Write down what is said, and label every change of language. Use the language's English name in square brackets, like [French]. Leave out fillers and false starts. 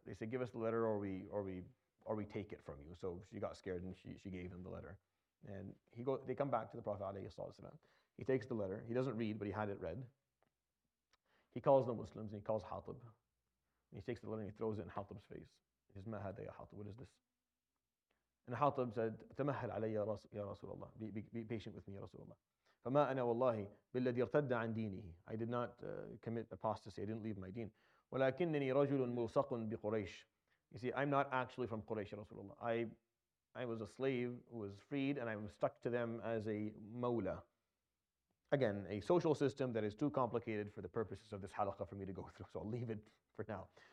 [English] They said, give us the letter or we take it from you. So she got scared and she gave him the letter. And they come back to the Prophet alayhi salam. He takes the letter. He doesn't read, but he had it read. He calls the Muslims and he calls Hatib. And he takes the letter and he throws it in Hatib's face. He says, [Arabic] ما هذا يا حاطب, [English] what is this? [Arabic] And Hatib said, تمهل علي يا رسول الله. [English] Be patient with me, [Arabic] يا رسول الله. فما أنا والله بالذي ارتد عن دينه. [English] I did not commit apostasy. I didn't leave my deen. [Arabic] ولكنني رجل ملصق بقريش. [English] You see, I'm not actually from Quraysh, Rasulullah. I was a slave who was freed, and I'm stuck to them as a mawla. Again, a social system that is too complicated for the purposes of this halakha for me to go through, so I'll leave it for now.